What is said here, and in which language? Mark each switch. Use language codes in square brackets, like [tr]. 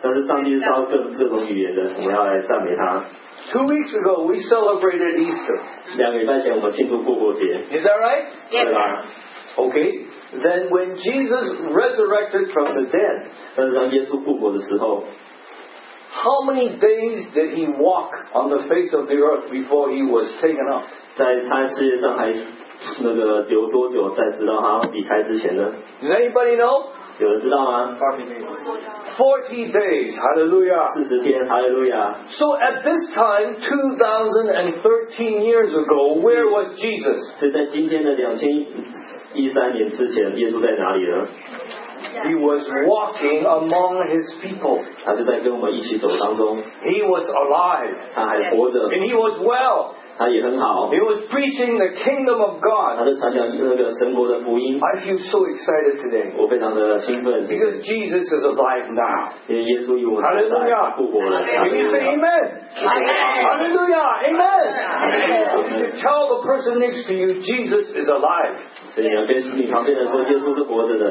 [zh] 但是上帝知道各种语言的，我们要来赞美他。 [en] Two weeks ago, we celebrated Easter. [zh] 两个礼拜前我们庆祝复活节。 [en] Is that right? Yes. Okay, then when Jesus resurrected from the dead, [zh] 但是当耶稣复活的时候， [en] how many days did he walk on the face of the earth before he was taken up? [zh] 在他世界上还那个留多久，在直到他离开之前呢？ [en] Does anybody know? [zh] 有人知道吗？ [en] 40 days, hallelujah. [zh] 40天 hallelujah. [en] So at this time, 2013 years ago, where was Jesus? [zh] 是在今天的200013年之前耶稣在哪里呢？ [en] He was walking among his people. [zh] 他就在跟我们一起走当中。 [en] He was alive. [zh] 他还活着。 [en] And he was well. [zh] 他也很好。 [en] He was preaching the kingdom of God. [zh] 他就传讲那个神国的福音。 [en] I feel so excited today. [zh] 我非常的兴奋。 [en] Because Jesus is alive now. [zh] 因为耶稣又复活了。 [en] Hallelujah. Can you say amen? Hallelujah. Amen. You should tell the person next to you, Jesus is alive. [zh] 所以你要跟你旁边的人说，耶稣是活着的。